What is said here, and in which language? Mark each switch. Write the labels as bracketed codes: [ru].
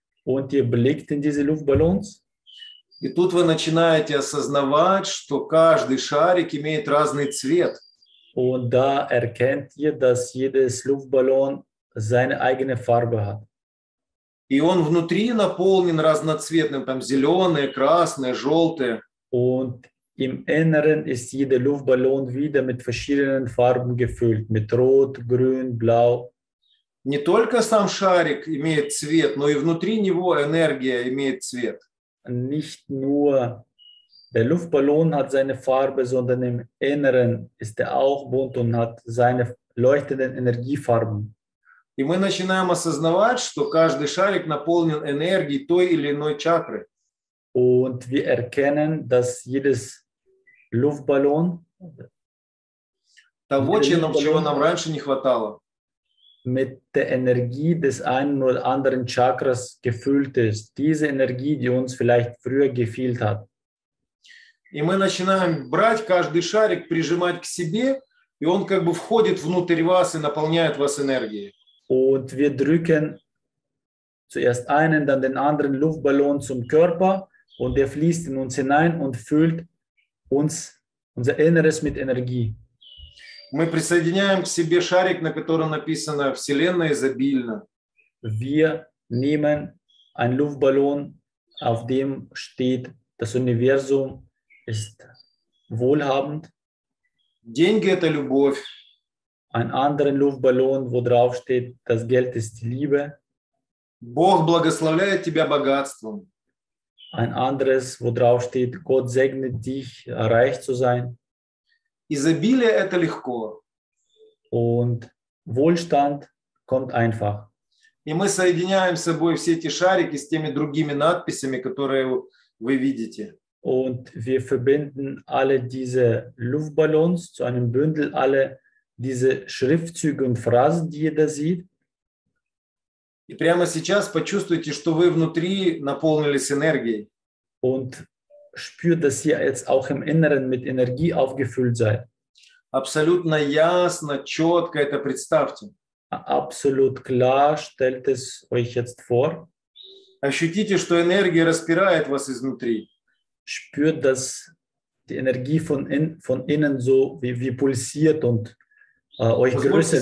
[de] Und ihr blickt in diese Luftballons. [ru] И тут вы начинаете осознавать, что каждый шарик имеет разный цвет. [de] Und da erkennt ihr, dass jedes Luftballon seine eigene Farbe hat. [ru] И он внутри наполнен разноцветным, там зеленые, красные, желтые. [de] Und im Inneren ist jeder Luftballon wieder mit verschiedenen Farben gefüllt, mit Rot, Grün, Blau. [ru] Не только сам шарик имеет цвет, но и внутри него энергия имеет цвет. [de] Nicht nur der Luftballon hat seine Farbe, sondern im Inneren ist auch bunt und hat seine leuchtenden Energiefarben. [ru] И мы начинаем осознавать, что каждый шарик наполнен энергией той или иной чакры. [de] Und wir erkennen, dass jedes Luftballon [ru] того, чего нам раньше не хватало, [de] mit der Energie des einen oder anderen Chakras gefüllt ist. Diese Energie, die uns vielleicht früher gefehlt hat. [ru] И мы начинаем брать каждый шарик, прижимать к себе, и он как бы входит внутрь вас и наполняет вас энергией. [de] Und wir drücken zuerst einen, dann den anderen Luftballon zum Körper. Und er fließt in uns hinein und füllt uns, unser Inneres mit Energie. [ru] Мы присоединяем к себе шарик, на котором написано «Вселенная изобильна». [de] Wir nehmen einen Luftballon, auf dem steht «Das Universum ist wohlhabend». [ru] Деньги – это любовь. [de] Einen anderen Luftballon, wo drauf steht «Das Geld ist Liebe». [ru] Бог благословляет тебя богатством. [de] Ein anderes, wo drauf steht, Gott segnet dich, reich zu sein. [ru] Изобилие – это легко. [de] Und Wohlstand kommt einfach. [ru] И мы соединяем с собой все эти шарики с теми другими надписями, которые вы видите. [de] Und wir verbinden alle diese Luftballons zu einem Bündel, alle diese Schriftzüge und Phrasen, die ihr da seht. [ru] И прямо сейчас почувствуйте, что вы внутри наполнились энергией. [de] Und spürt, dass ihr jetzt auch im Inneren mit Energie aufgefüllt seid. [ru] Абсолютно ясно, четко это представьте. [de] Absolut klar, stellt es euch jetzt vor. [ru] Ощутите, что энергия распирает вас изнутри. [de] Spürt, dass die Energie von innen so wie pulsiert und euch größer wird.